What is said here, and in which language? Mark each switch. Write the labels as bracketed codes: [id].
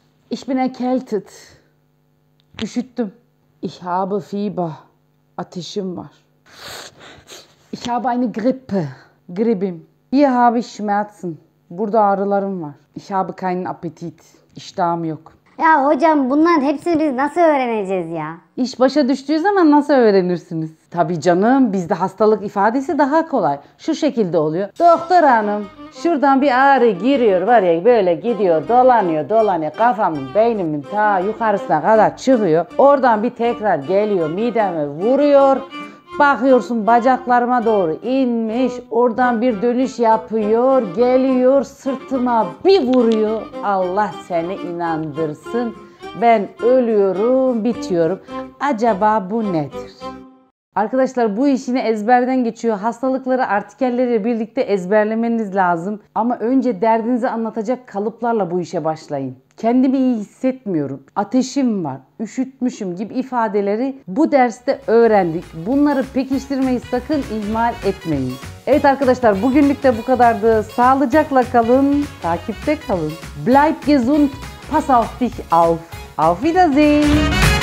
[de] Ich bin erkältet. [tr] Üşüttüm. [de] Ich habe Fieber. [tr] Ateşim var. [de] Ich habe eine Grippe. [tr] Gribim. [de] Hier habe ich Schmerzen. [tr] Burada ağrılarım var. [de] Ich habe keinen Appetit. [tr] İştahım yok. Ya hocam bunların hepsini biz nasıl öğreneceğiz ya? İş başa düştüğü zaman nasıl öğrenirsiniz? Tabii canım, bizde hastalık ifadesi daha kolay. Şu şekilde oluyor. Doktor hanım, şuradan bir ağrı giriyor var ya, böyle gidiyor, dolanıyor, dolanıyor. Kafamın, beynimin ta yukarısına kadar çıkıyor. Oradan bir tekrar geliyor, mideme vuruyor. Bakıyorsun bacaklarıma doğru inmiş, oradan bir dönüş yapıyor, geliyor sırtıma bir vuruyor. Allah seni inandırsın, ben ölüyorum, bitiyorum. Acaba bu nedir? Arkadaşlar bu işini ezberden geçiyor. Hastalıkları artikelleriyle birlikte ezberlemeniz lazım. Ama önce derdinizi anlatacak kalıplarla bu işe başlayın. Kendimi iyi hissetmiyorum, ateşim var, üşütmüşüm gibi ifadeleri bu derste öğrendik. Bunları pekiştirmeyi sakın ihmal etmeyin. Evet arkadaşlar, bugünlük de bu kadardı. Sağlıcakla kalın, takipte kalın. [de] Bleib gesund, pass auf dich auf. Auf Wiedersehen.